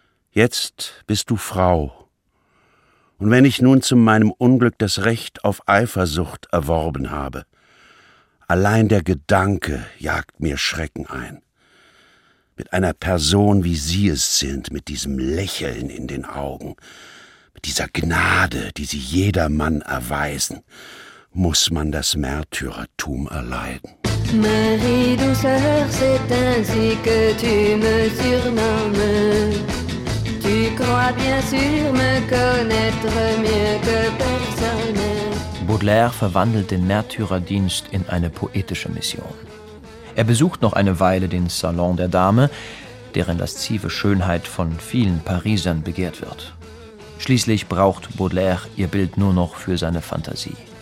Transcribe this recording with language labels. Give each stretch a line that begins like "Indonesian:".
German: Jetzt bist du Frau. Und wenn ich nun zu meinem Unglück das Recht auf Eifersucht erworben habe, allein der Gedanke jagt mir Schrecken ein. Mit einer Person, wie Sie es sind, mit diesem Lächeln in den Augen, mit dieser Gnade, die Sie jedermann erweisen, muss man das Märtyrertum erleiden.
French: Marie Douceur, c'est ainsi que tu me surnommes. Tu crois bien sûr me connaître mieux que personne.
German: Baudelaire verwandelt den Märtyrerdienst in eine poetische Mission. Er besucht noch eine Weile den Salon der Dame, deren laszive Schönheit von vielen Parisern begehrt wird. Schließlich braucht Baudelaire ihr Bild nur noch für seine Fantasie.